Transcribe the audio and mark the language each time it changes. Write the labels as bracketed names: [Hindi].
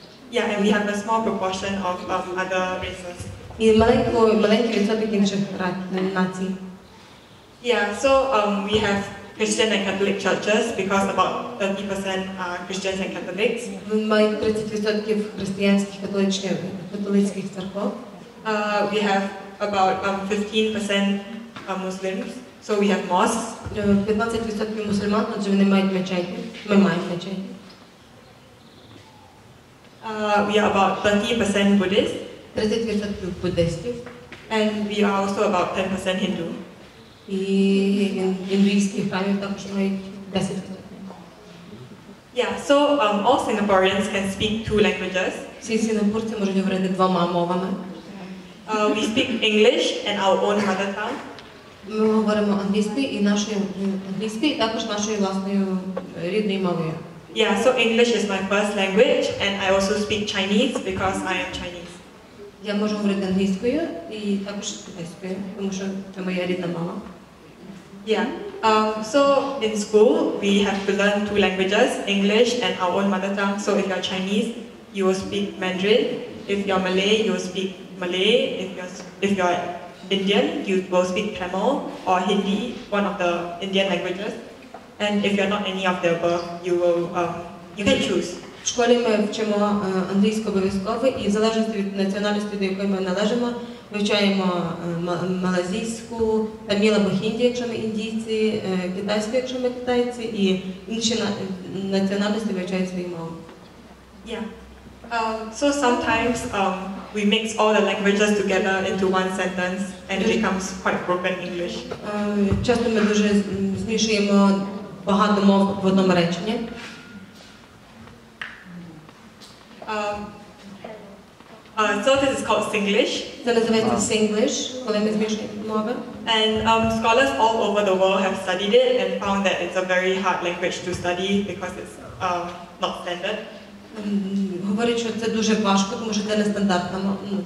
[English] Yeah, and we have a small proportion of other races. [Ukrainian] І маленький відсоток інших націй. [English] Yeah, so we have Christian and Catholic churches because about 30% are Christians and Catholics. [Ukrainian] Ми маємо 30% християнських католицьких церков. [English] We have about 15% are Muslims, so we have mosques. [Ukrainian] 15% мусульман, отже вони мають мечеті. Ми маємо мечеті. [English] We are about 30% Buddhist. [Ukrainian] 30% буддистів. [English] And we are also about 10% Hindu. [Ukrainian] І індуїстських храмів також мають 10%. [English] Yeah, so all Singaporeans can speak two languages. [Ukrainian] Всі сінгапурці можуть говорити двома мовами. [English] We speak English and our own mother tongue. [Ukrainian] Ми говоримо англійською і також нашою власною рідною мовою. [English] Yeah, so English is my first language and I also speak Chinese because I am Chinese. [Ukrainian] Я можу говорити англійською і також китайською, тому що це моя рідна мова. [English] Yeah. So in school we have to learn two languages, English and our own mother tongue. So if you're Chinese, you will speak Mandarin. If you're Malay, you will speak Malay. If you're Indian, you will speak Tamil or Hindi, one of the Indian languages. And if you're not any of the above, you can choose. [Ukrainian] В школі ми вчимо англійську обов'язково і в залежності від національності, до якої ми належимо, вивчаємо малазійську, таміл або хінді, якщо ми індійці, китайську, якщо ми китайці, і інші національності вивчають свої мови. [English] Yeah. So sometimes we mix all the languages together into one sentence and it becomes quite broken English. [Ukrainian] Часто ми дуже змішуємо багато мов в одному реченні. [English] So this is called Singlish. [Ukrainian] Це називається Singlish, коли ми змішуємо мови. [English] And scholars all over the world have studied it and found that it's a very hard language to study because it's not standard. [Ukrainian] Говорять, що це дуже важко, тому що це не стандартна мова.